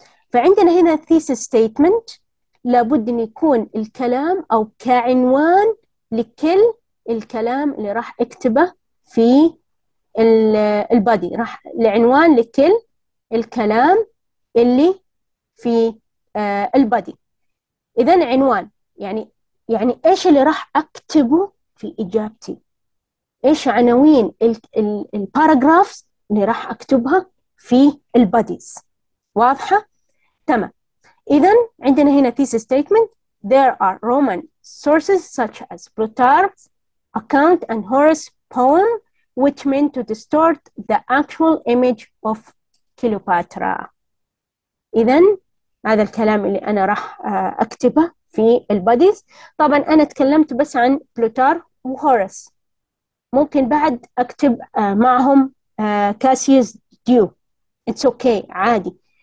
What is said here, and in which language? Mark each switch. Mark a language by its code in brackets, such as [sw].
[ar] فعندنا هنا الثيسس ستيتمنت لابد ان يكون الكلام او كعنوان لكل الكلام اللي راح اكتبه في البادي، راح العنوان لكل الكلام اللي في البادي. إذا عنوان يعني إيش اللي راح أكتبه في إجابتي؟ إيش عناوين الباراجرافز اللي راح أكتبها في الباديز؟ واضحة؟ تمام. إذا عندنا هنا [en] thesis statement: there are Roman sources such as Plutarch's account and Horace's poem which meant to distort the actual image of Cleopatra. [ar] إذا هذا الكلام اللي أنا راح أكتبه في الباديز. طبعا أنا تكلمت بس عن بلوتار وهورس، ممكن بعد أكتب معهم كاسيوس ديو، [en] it's okay [ar] عادي.